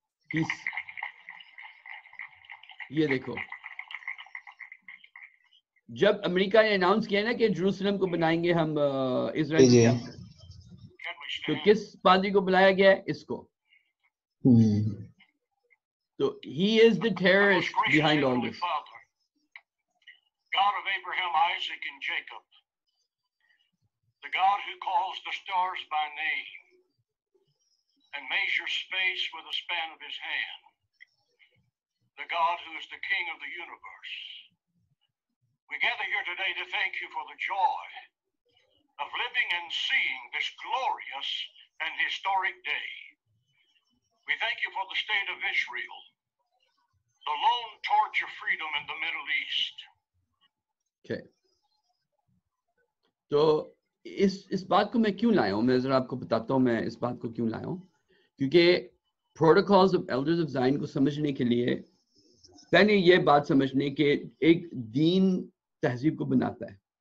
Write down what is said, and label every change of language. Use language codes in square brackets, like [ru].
[ur] Please یہ دیکھو, جب امریکہ نے اناؤنس کیا نا کہ جروسلم کو بنائیں گے ہم اسرائیل کا, تو کس پادری کو بلایا گیا ہے؟ اس کو. [en] تو he is the terrorist behind all this. God of Abraham, Isaac, and Jacob, the God who calls the stars by name and measures space with a span of his hand, the God who is the King of the universe. We gather here today to thank you for the joy of living and seeing this glorious and historic day. We thank you for the state of Israel, the lone torch of freedom in the Middle East. [ur] تو اس بات کو میں کیوں لایا ہوں, میں ذرا آپ کو بتاتا ہوں میں اس بات کو کیوں لایا ہوں. کیونکہ protocols of elders of Zion کو سمجھنے کے لیے پہلے یہ بات سمجھنے کہ ایک دین تہذیب کو بناتا ہے.